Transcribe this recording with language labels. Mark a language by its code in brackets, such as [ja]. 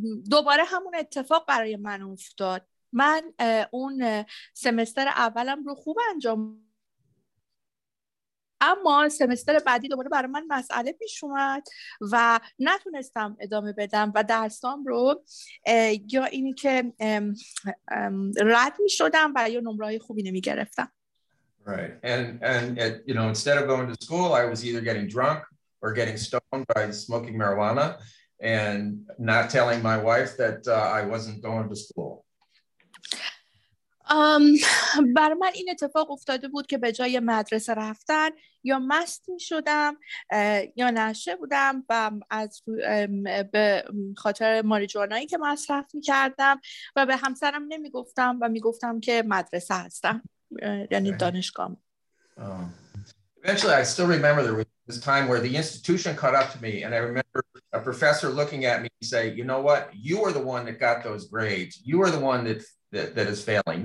[fa] دوباره همون اتفاق برای من افتاد. من اون سمستر اولم رو خوب انجام, اما سمستر بعدی دوباره برای من مسئله پیش اومد و نتونستم ادامه بدم و درسام رو یا اینی که رد می شدم و یا نمره های خوبی نمی گرفتم. [en] Right. And it, you know, instead of going to school, I was either getting drunk or getting stoned by smoking marijuana and not telling my wife that I wasn't going to school. [fa] بر من این اتفاق افتاده بود که به جای مدرسه رفتن یا مست می شدم یا نشه بودم و از به خاطر ماریجوانایی که مصرف می کردم و به همسرم نمی گفتم و می گفتم که مدرسه هستم, یعنی دانشگاه. [en] Eventually I still remember there was this time where the institution caught up to me and I remember a professor looking at me and say, you know what, you are the one that got those grades, you are the one that is failing.